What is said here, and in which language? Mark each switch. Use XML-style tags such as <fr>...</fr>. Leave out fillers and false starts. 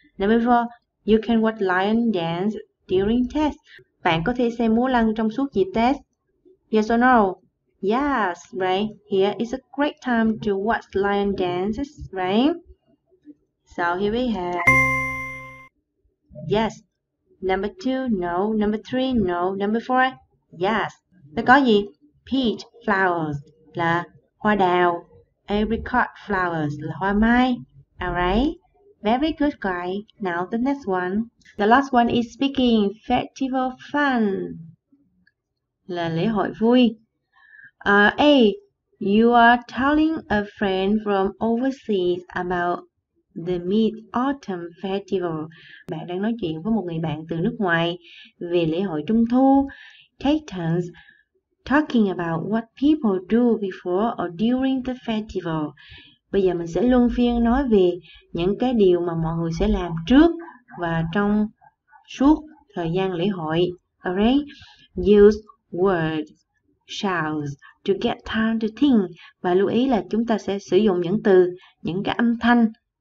<en>Number four, you can watch lion dance during Tết.</en> <vi>Bạn có thể xem múa lân trong suốt dịp Tết.</vi> <en>Yes or no? Yes, right? Here is a great time to watch lion dances, right? So here we have yes. Number two, no. Number three, no. Number four, yes.</en> <vi>Nó có gì?</vi> <en>Peach flowers</en> <vi>là hoa đào.</vi> <en>Apricot flowers</en> <vi>là hoa mai.</vi> <en>Alright? Very good, guys. Now the next one. The last one is speaking festival fun.</en> <vi>Là lễ hội vui. A.</vi> <en>You are telling a friend from overseas about the Mid-Autumn Festival.</en> <vi>Bạn đang nói chuyện với một người bạn từ nước ngoài về lễ hội Trung Thu.</vi> <en>Take turns talking about what people do before or during the festival.</en> <vi>Bây giờ mình sẽ luân phiên nói về những cái điều mà mọi người sẽ làm trước và trong suốt thời gian lễ hội.</vi> <en>Alright? Use words, sounds to get time to think.</en> <vi>Và lưu ý là chúng ta sẽ sử dụng những từ, những cái âm thanh</vi>